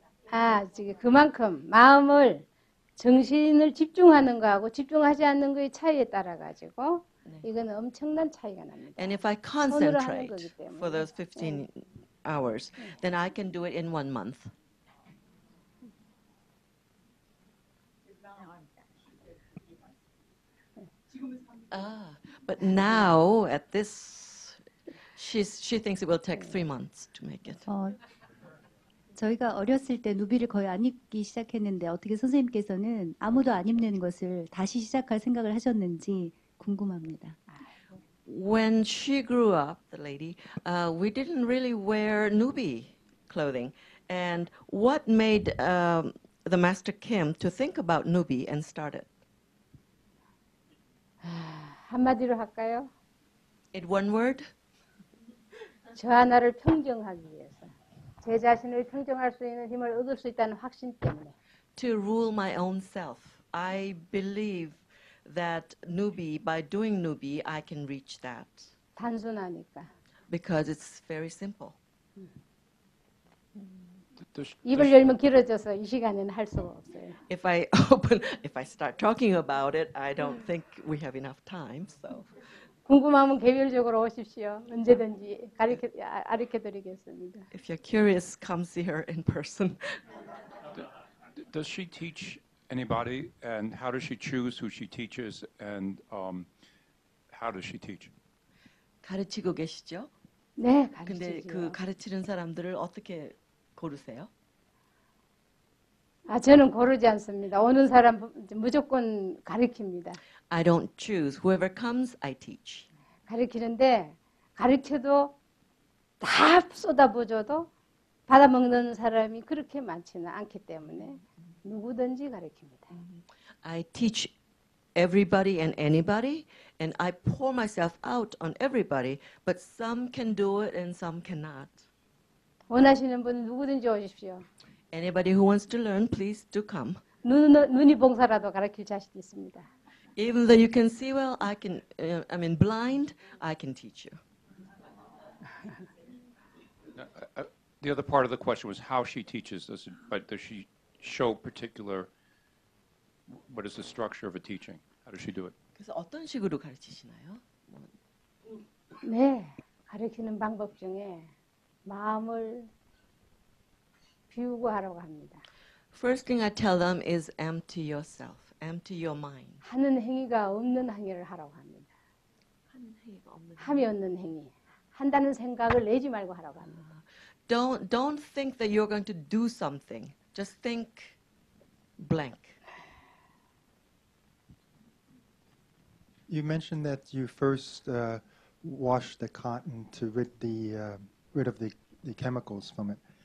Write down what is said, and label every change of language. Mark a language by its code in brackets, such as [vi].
[ko] 아, 지금 그만큼 마음을 정신을 집중하는 거하고 집중하지 않는 거의 차이에 따라 가지고 이건 엄청난 차이가 납니다. [en] And if I concentrate for those 15 hours, then I can do it in 1 month. 아, but now at this she thinks it will take 3 months to make it. [ko] 저희가 어렸을 때 누비를 거의 안 입기 시작했는데 어떻게 선생님께서는 아무도 안 입는 것을 다시 시작할 생각을 하셨는지 궁금합니다. [en] When she grew up, the lady, we didn't really wear nubi clothing. And what made the Master Kim to think about nubi and start it? [ko] 한마디로 할까요? [en] In one word? [ko] 저 하나를 평정하기 위해. 제 자신을 평정할 수 있는 힘을 얻을 수 있다는 확신 때문에. [en] To rule my own self, I believe that nubi, by doing nubi, I can reach that. [ko] 단순하니까. [en] Because it's very simple. [ko] 입을 열면 길어져서 이 시간에는 할 수가 없어요. [en] If I open, if I start talking about it, I don't think we have enough time. So. [ko] 궁금하면 개별적으로 오십시오. 언제든지 가르쳐 드리겠습니다. [en] If you're curious, come see her in person. Does she teach anybody, and how does she choose who she teaches, and how does she teach? [ko] 가르치고 계시죠? 네, 가르치죠. 근데 그 가르치는 사람들을 어떻게 고르세요? 아, 저는 고르지 않습니다. 오는 사람 무조건 가르칩니다. [en] I don't choose. Whoever comes, I teach. [ko] 가르치는데 가르쳐도 다 쏟아부어도 받아먹는 사람이 그렇게 많지는 않기 때문에 누구든지 가르칩니다. [en] I teach everybody and anybody, and I pour myself out on everybody, but some can do it and some cannot. [ko] 원하시는 분 누구든지 오십시오. [en] Anybody who wants to learn, please do come. [ko] 눈이 봉사라도 가르칠 자신 있습니다. [en] Even though you can see well, I can, I mean blind, I can teach you. The other part of the question was how she teaches, does she show particular, what is the structure of a teaching? How does she do it? [ko] 그래서 어떤 식으로 가르치시나요? 네, 가르치는 방법 중에 마음을 비우고 하라고 합니다. [en] First thing I tell them is empty yourself. Empty your mind. [ko] 하는 행위가 없는 행위를 하라고 합니다. 함이 없는 행위. 한다는 생각을 내지 말고 하라고 합니다. [en] Don't think that you're going to do something. Just think blank. You mentioned that you first washed the cotton to rid of the chemicals from it.